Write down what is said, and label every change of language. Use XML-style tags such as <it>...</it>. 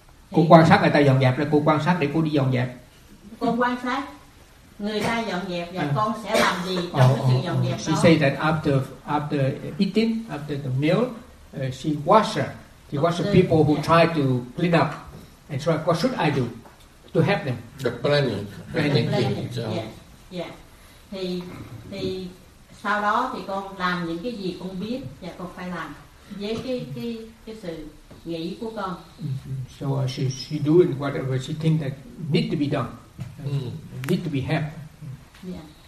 <vi>Cô quan sát người ta dọn dẹp rồi cô quan sát để cô đi dọn dẹp. Con quan sát người ta dọn dẹp và con sẽ làm gì trong cái sự dọn dẹp đó.</vi> <en>She said that after eating, after the meal, she washes. She washes people who try to clean up. And so what should I do to help them? The planning. Planning. Yeah.</en> <vi>Thì sau đó thì con làm những cái gì con biết và con phải làm với cái sự nghĩ của con.</vi> <en>So she doing whatever she thinks that need to be done. Need to be helped.</en>